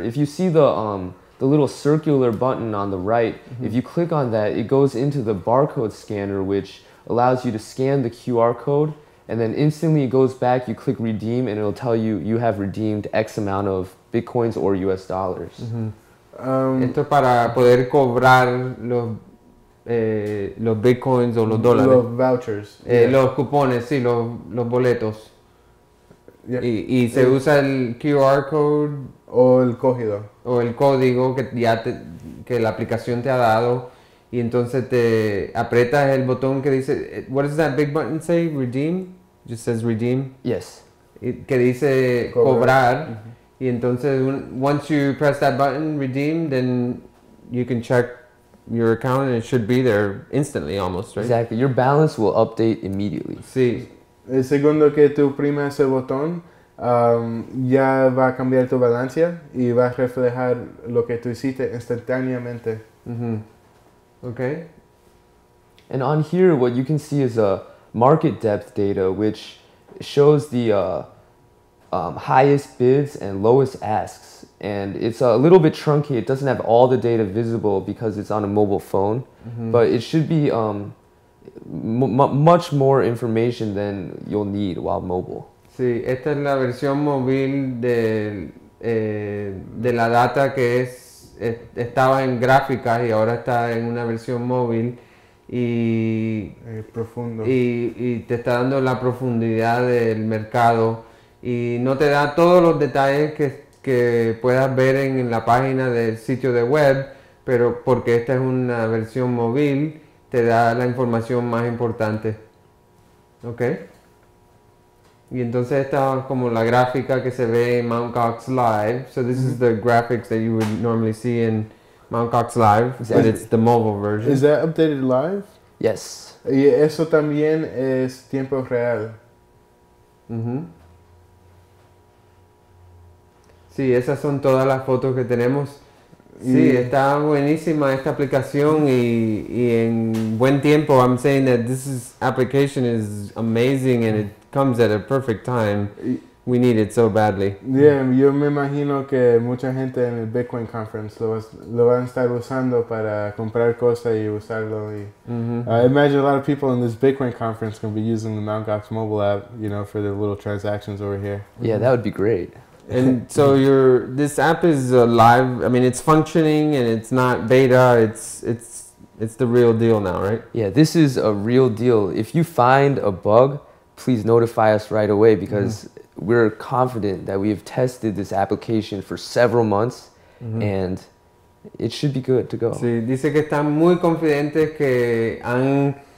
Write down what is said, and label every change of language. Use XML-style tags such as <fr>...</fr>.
<en>If you see the little circular button on the right, mm-hmm. if you click on that, it goes into the barcode scanner, which allows you to scan the QR code, and then instantly it goes back, you click redeem, and it'll tell you have redeemed X amount of bitcoins or US dollars. Mm-hmm.</en> <es>Esto es para poder cobrar los bitcoins o los dólares. Los vouchers. Los cupones, sí, los boletos.</es> <en>Yeah.</en> <es>Y se usa el QR code o el código. O el código que ya que la aplicación te ha dado. Y entonces te aprietas el botón que dice,</es> <en>what does that big button say? Redeem? Just says redeem. Yes.</en> <es>Que dice cobrar. Mm-hmm. Y entonces</es> <en>once you press that button, redeem, then you can check your account and it should be there instantly almost, right? Exactly. Your balance will update immediately.</en> <es>Sí. El segundo que tú oprimas ese botón, ya va a cambiar tu balance y va a reflejar lo que tú hiciste instantáneamente.</es> <en>Mm-hmm. Okay. And on here, what you can see is a market depth data, which shows the highest bids and lowest asks. And it's a little bit truncated. It doesn't have all the data visible because it's on a mobile phone, mm-hmm. but it should be much more information than you'll need while mobile.</en> <es>Sí, esta es la versión móvil de la data que estaba en gráficas y ahora está en una versión móvil y profundo. Y te está dando la profundidad del mercado y no te da todos los detalles que puedas ver en la página del sitio de web, pero porque esta es una versión móvil te da la información más importante. ¿Ok? Y entonces esta es como la gráfica que se ve en Mt. Gox Live.</es> <en>So this mm-hmm. is the graphics that you would normally see in Mt. Gox Live. Exactly. But it's the mobile version. Is that updated live? Yes.</en> <es>Y eso también es tiempo real. Mm-hmm. Sí, esas son todas las fotos que tenemos. Sí, está buenísima esta aplicación y en buen tiempo.</es> <en>I'm saying that this application is amazing and it comes at a perfect time. We need it so badly.</en> <es>Yeah, yo me imagino que mucha gente en el Bitcoin Conference lo van a estar usando para comprar cosas y usarlo. Y, mm-hmm.</es> <en>Imagine a lot of people in this Bitcoin Conference going to be using the Mt. Gox mobile app, you know, for their little transactions over here. Yeah, that would be great. And so this app is live. I mean, it's functioning and it's not beta. It's the real deal now, right? Yeah, this is a real deal. If you find a bug, please notify us right away because mm-hmm. we're confident that we have tested this application for several months mm-hmm. and it should be good to go.</en> <es>Sí, dice que están muy confidentes que han</es>